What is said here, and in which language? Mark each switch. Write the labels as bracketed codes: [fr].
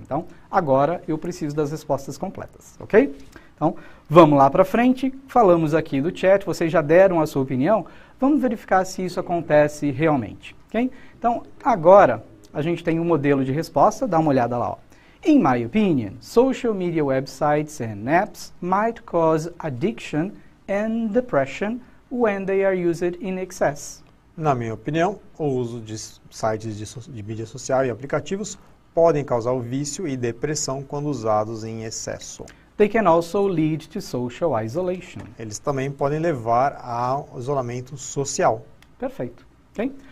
[pt] Então, agora eu preciso das respostas completas, ok? Então, vamos lá para frente, falamos aqui do chat, vocês já deram a sua opinião, vamos verificar se isso acontece realmente, ok? Então, agora a gente tem um modelo de resposta, dá uma olhada lá, ó. [en] In my opinion, social media websites and apps might cause addiction and depression when they are used in excess. [pt] Na minha opinião, o uso de sites de mídia social e aplicativos podem causar vício e depressão quando usados em excesso. [en] They can also lead to social isolation. [pt] Eles também podem levar ao isolamento social. Perfeito. Okay?